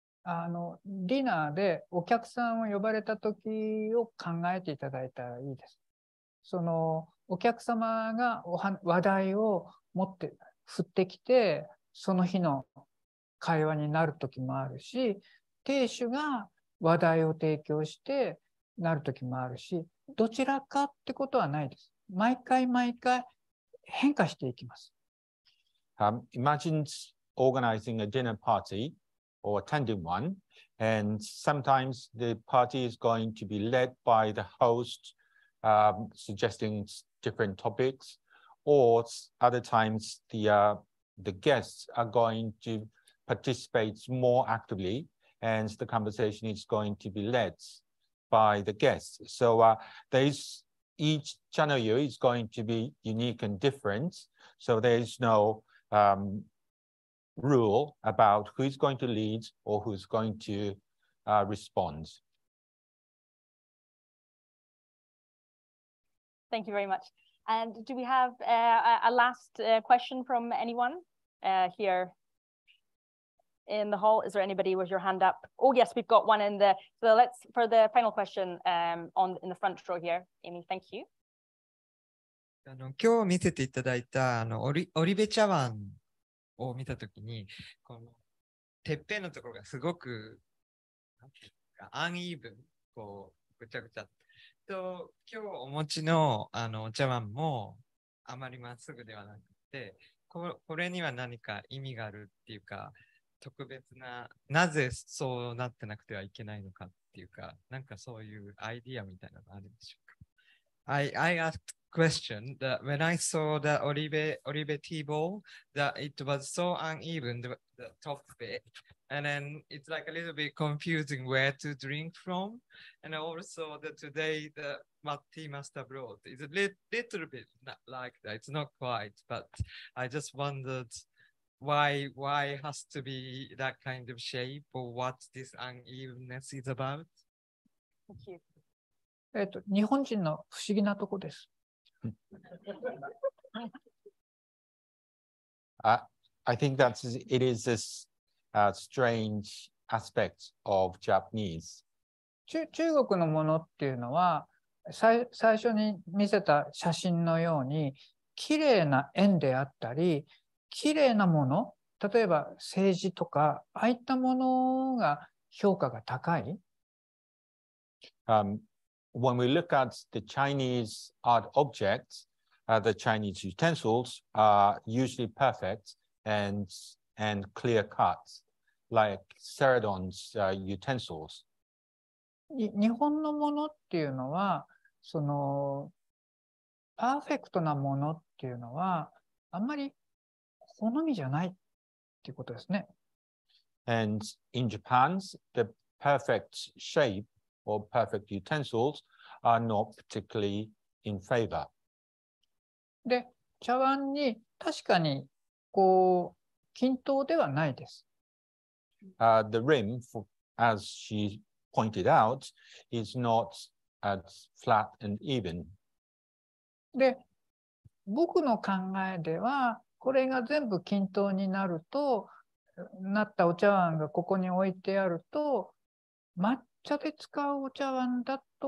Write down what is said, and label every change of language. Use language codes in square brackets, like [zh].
[ja] ディナーでお客さんを呼ばれた時を考えていただいたらいいです。そのお客様が話題を持って振ってきて、その日の会話になる時もあるし、亭主が話題を提供してなる時もあるし、どちらかってことはないです。毎回毎回変化していきます。 [en] Imagine organizing a dinner party or attending one, and sometimes the party is going to be led by the host suggesting different topics, or other times the the guests are going to participate more actively, and the conversation is going to be led by the guests. So each channel you is going to be unique and different. So there's no rule about who's going to lead or who's going to respond. Thank you very much. And do we have a last question from anyone here in the hall? Is there anybody with your hand up? Oh, yes, we've got one in the, so let's, for the final question on in the front row here, Amy, thank you. [ja] 今日見せていただいたオリベ茶碗を見たときに、このてっぺんのところがすごくアンイーブン、こうぐちゃぐちゃと、今日お持ちのあのお茶碗もあまりまっすぐではなくて、これには何か意味があるっていうか、特別な、なぜそうなってなくてはいけないのかっていうか、なんかそういうアイディアみたいなのあるんでしょうか。 [en] I askedQuestion that when I saw the Oribe tea bowl, that it was so uneven, the top bit, and then it's like a little bit confusing where to drink from. And also that today the mat tea master brought is a little bit not like that, it's not quite, but I just wondered why it has to be that kind of shape or what this unevenness is about. Thank you. [ja] 日本人の不思議なとこです。 [en] I think that it is this strange aspect of Japanese. [ja] 中国のものっていうのは最初に見せた写真のように綺麗な円であったり綺麗なもの、例えば青磁とかああいったものが評価が高い。 [en] When we look at the Chinese art objects, the Chinese utensils are usually perfect and clear cut, like Ceradon's utensils. [ja] 日本のものっていうのは、そのパーフェクトなものっていうのは、あんまり好みじゃないっていうことですね。 [en] And in Japan, the perfect shape or perfect utensils. Are not particularly in favor. [ja] で、茶碗に確かにこう均等ではないです。 [en] The rim, as she pointed out, is not as flat and even. [ja] で、僕の考えでは、これが全部均等になると、なったお茶碗がここに置いてあると、抹茶で使うお茶碗だと。